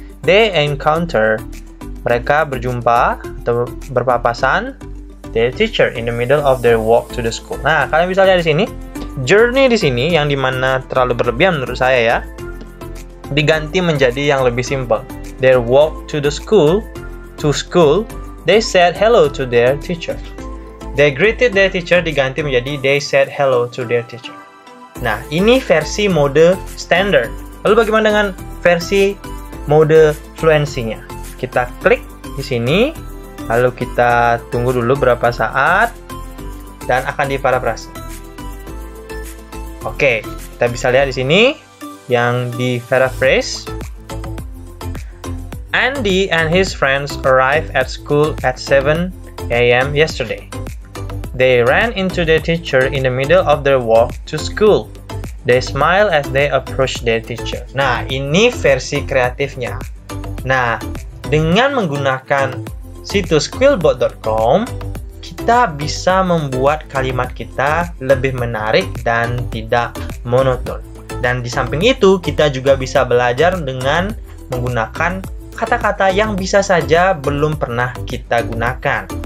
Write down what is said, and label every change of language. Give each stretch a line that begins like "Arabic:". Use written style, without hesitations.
English: They encounter,
Indonesian: mereka berjumpa atau berpapasan
English: their teacher in the middle of their walk to the school.
Indonesian: Nah, kalian bisa lihat di sini, journey di sini yang dimana terlalu berlebihan menurut saya ya, diganti menjadi yang lebih simple.
English: They walk to the school. To school, they said hello to their teacher. They greeted their teacher
Indonesian: diganti menjadi
English: they said hello to their teacher.
Indonesian: Nah, ini versi mode standard. Lalu bagaimana dengan versi mode fluency-nya? Kita klik di sini, lalu kita tunggu dulu berapa saat, dan akan diparafrase. Oke, kita bisa lihat di sini, yang di paraphrase.
English: Andy and his friends arrived at school at 7 a.m. yesterday. They ran into their teacher in the middle of their walk to school. They smiled as they approached their teacher.
Indonesian: Nah, ini versi kreatifnya. Nah, dengan menggunakan situs quillbot.com, kita bisa membuat kalimat kita lebih menarik dan tidak monoton. Dan di samping itu, kita juga bisa belajar dengan menggunakan kata-kata yang bisa saja belum pernah kita gunakan.